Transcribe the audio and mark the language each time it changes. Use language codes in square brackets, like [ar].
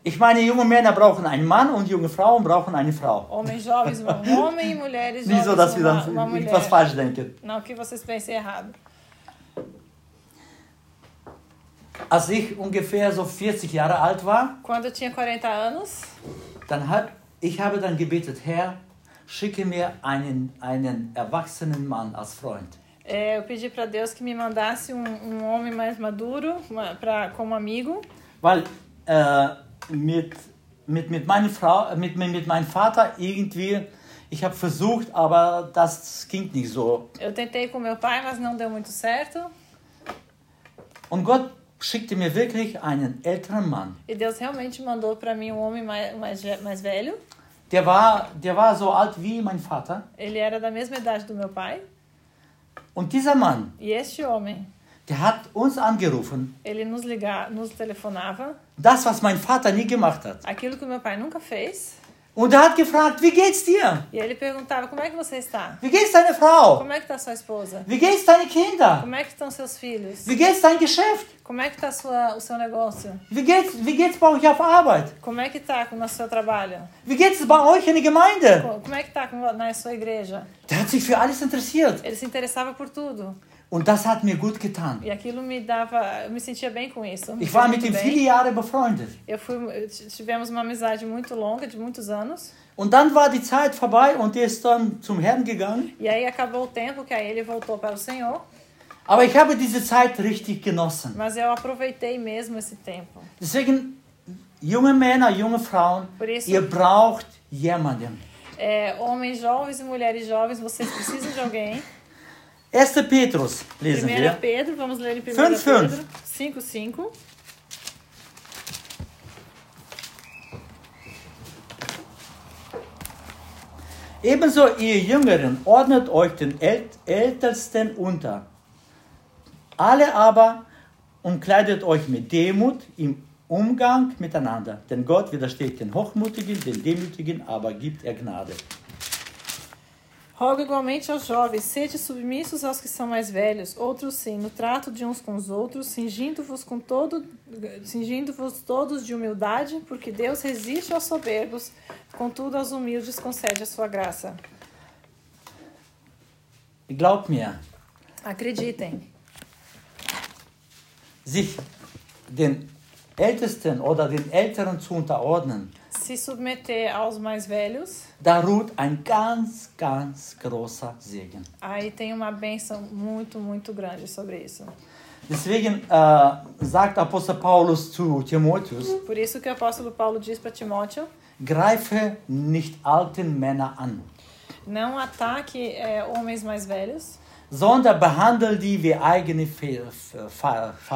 [de] Ich meine, junge Männer brauchen einen Mann und junge Frauen brauchen eine Frau. [pt] Homens jovens, um homem e mulheres jovens. [de] Wieso, dass wir dann etwas falsch denken? [pt] Não, que vocês pensem errado. [de] Als ich ungefähr so 40 Jahre alt war, [pt] quando eu tinha 40 anos, [de] ich habe dann gebetet, Herr, schicke mir einen erwachsenen Mann als Freund. [pt] Eu pedi para Deus que me mandasse um homem mais maduro como amigo. [de] Weil mit meiner Frau, mit meinem Vater irgendwie, ich habe versucht, aber das ging nicht so. [pt] Eu tentei com meu pai, mas não deu muito certo. [de] Und Gott schickte mir wirklich einen älteren Mann. [pt] E Deus realmente mandou para mim um homem mais velho. [de] Der war so alt wie mein Vater. [pt] Ele era da mesma idade do meu pai. [de] Und dieser Mann, [pt] e este homem, [de] der hat uns angerufen. [pt] Ele nos telefonava. [de] Das, was mein Vater nie gemacht hat. [pt] Aquilo que meu pai nunca fez. [de] Und er hat gefragt, wie geht's dir? [pt] E ele perguntava, como é que você está? [de] Wie geht's deine Frau? [pt] Como é que tá sua esposa? [de] Wie geht's deine Kinder? [pt] Como é que estão seus filhos? [de] Wie geht's dein Geschäft? [pt] Como é que tá o seu negócio? [de] Wie geht's bei euch auf Arbeit? [pt] Como é que tá com o seu trabalho? [de] Wie geht's bei euch in der Gemeinde? [pt] Como é que tá na sua igreja? [de] Der hat sich für alles interessiert. [pt] Ele se interessava por tudo. [de] Und das hat mir gut getan. [pt] E aquilo me dava, eu me sentia bem com isso. [de] Ich war mit ihm viele Jahre befreundet. [pt] Tivemos uma amizade muito longa, de muitos anos. [de] Und dann war die Zeit vorbei und er ist dann zum Herrn gegangen. [pt] E aí acabou o tempo que aí ele voltou para o Senhor. [de] Aber ich habe diese Zeit richtig genossen. [pt] Mas eu aproveitei mesmo esse tempo. [de] Deswegen, junge Männer, junge Frauen, ihr braucht jemanden. [pt] Homens jovens e mulheres jovens, vocês precisam de alguém. [de] 1. Petrus, lesen wir. [pt] 1. Pedro, vamos ler em 1. Pedro. 5:5. [de] Ebenso, ihr Jüngeren, ordnet euch den Ältesten unter. Alle aber umkleidet euch mit Demut im Umgang miteinander. Denn Gott widersteht den Hochmutigen, den Demütigen aber gibt er Gnade. [pt] Rogo igualmente aos jovens, sede submissos aos que são mais velhos, outros sim, no trato de uns com os outros, cingindo-vos todos de humildade, porque Deus resiste aos soberbos, contudo aos humildes concede a sua graça. [de] Glaub mir. [pt] Acreditem. [de] Sich den Ältesten oder den Älteren zu unterordnen. [pt] Se submeter aos mais velhos. [de] Da ruht ein ganz, ganz großer Segen. [pt] Aí tem uma bênção muito, muito grande sobre isso. [de] Deswegen sagt Apostel Paulus zu Timotheus. [pt] Por isso que o apóstolo Paulo diz para Timóteo. [de] Greife nicht alten Männer an. [pt] Não ataque homens mais velhos. [de] Sondern behandle die wie eigene Vater.